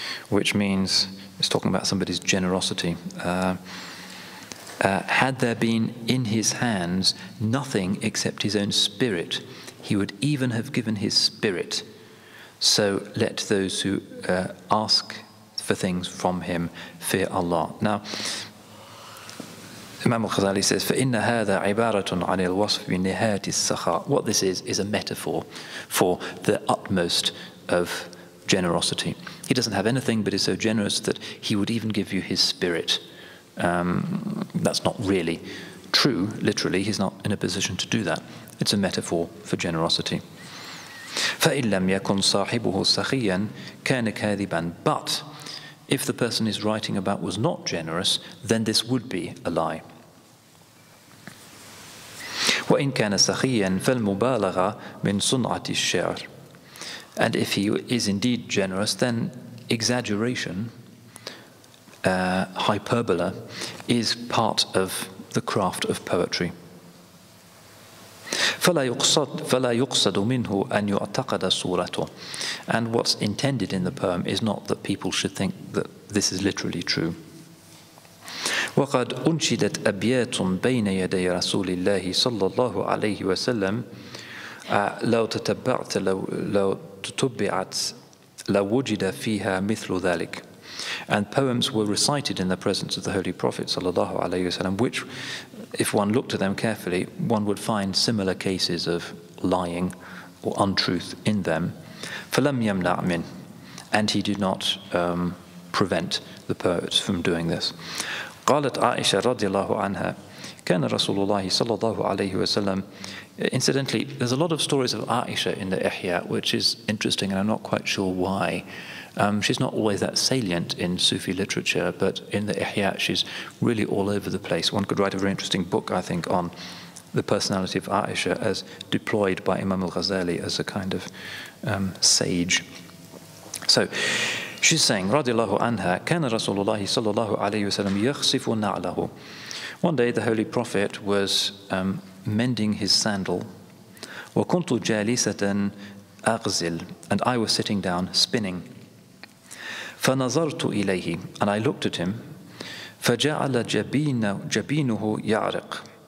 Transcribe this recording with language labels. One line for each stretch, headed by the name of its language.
English: Which means, it's talking about somebody's generosity. Had there been in his hands nothing except his own spirit, he would even have given his spirit. So let those who ask for things from him fear Allah. Now, Imam al-Ghazali says,
Arabic: فَإِنَّ هَذَا عِبَارَةٌ عَنِ الْوَصْفِ نِهَاتِ السَّخَاءِ.
English: What this is a metaphor for the utmost of generosity. He doesn't have anything but is so generous that he would even give you his spirit. That's not really true, literally. He's not in a position to do that. It's a metaphor for generosity.
Arabic: فَإِنْ لَمْ يَكُنْ صَاحِبُهُ سَخِيًا كَانَ كَاذِبًا.
English: But if the person he's writing about was not generous, then this would be a lie.
Arabic: وَإِنْ كَانَ سَخِيًا فَالْمُبَالَغَ مِنْ صُنْعَةِ الشِّعْرِ.
English: And if he is indeed generous, then exaggeration hyperbola is part of the craft of poetry.
Arabic: فلا يقصد منه أن يعتقد صورته.
English: And what's intended in the poem is not that people should think that this is literally true.
Arabic: وقد أنشدت أبيات بين يدي رسول الله صلى الله عليه وسلم لو تتبعت لو تتبعت لوجد فيها مثل ذلك.
English: And poems were recited in the presence of the Holy Prophet sallallahu alaihi wasallam, which, if one looked at them carefully, one would find similar cases of lying or untruth in them.
Arabic: فَلَمْ يَمْنَعْ مِنْ
English: And he did not prevent the poets from doing this.
Arabic: قَالَتْ عَائِشَةَ رَضِيَ اللَّهُ عَنْهَا كَانَ رَسُولُ اللَّهِ صَلَّى اللَّهُ عَلَيْهِ وَسَلَّمْ
English: Incidentally, there's a lot of stories of Aisha in the Ihya, which is interesting, and I'm not quite sure why. She's not always that salient in Sufi literature, but in the Ihya, she's really all over the place. One could write a very interesting book, I think, on the personality of Aisha as deployed by Imam al-Ghazali as a kind of sage. So, she's saying,
Arabic: radiallahu anha, كان رسول الله صلى الله عليه وسلم يخصف نعله.
English: One day, the Holy Prophet was mending his sandal.
Arabic: وكنت جالسة أغزل,
English: and I was sitting down, spinning.
Arabic: فنظرت إليه,
English: and I looked at him.
Arabic: فجعل جبينه يعرق,